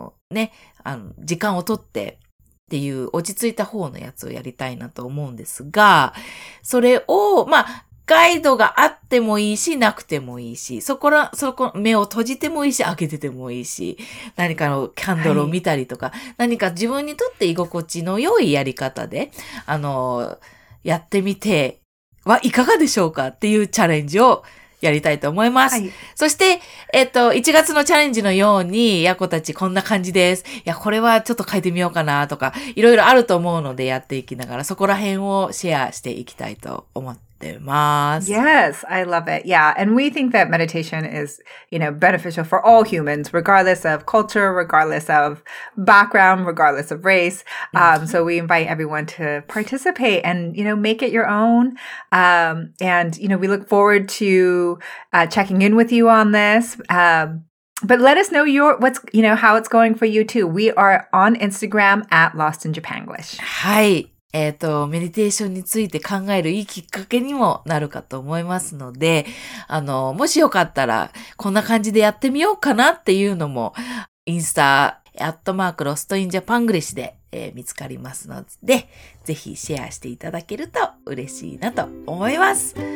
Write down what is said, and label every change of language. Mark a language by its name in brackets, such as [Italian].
[Japanese] ね、時間をとって、っていう落ち着いた方のやつをやりたいなと思うんですが、それを、まあ、ガイドがあってもいいし、なくてもいいし、そこ、目を閉じてもいいし、開けててもいいし、何かのキャンドルを見たりとか、はい、何か自分にとって居心地の良いやり方で、やってみてはいかがでしょうかっていうチャレンジをやりたいと思います。はい、そして、1月のチャレンジのように、ヤコたちこんな感じです。いや、これはちょっと変えてみようかなとか、いろいろあると思うのでやっていきながら、そこら辺をシェアしていきたいと思って。 [English] Yes, I love it. Yeah, and we think that meditation is, you know, beneficial for all humans, regardless of culture, regardless of background, regardless of race. So we invite everyone to participate and, you know, make it your own. And, you know, we look forward to checking in with you on this. But let us know how it's going for you too. We are on Instagram at Lost in Japanglish. Hi. [Japanese] メディテーションについて考えるいいきっかけにもなるかと思いますので、もしよかったら、こんな感じでやってみようかなっていうのも、インスタ、@lost in Japanglish で、見つかりますので、ぜひシェアしていただけると嬉しいなと思います。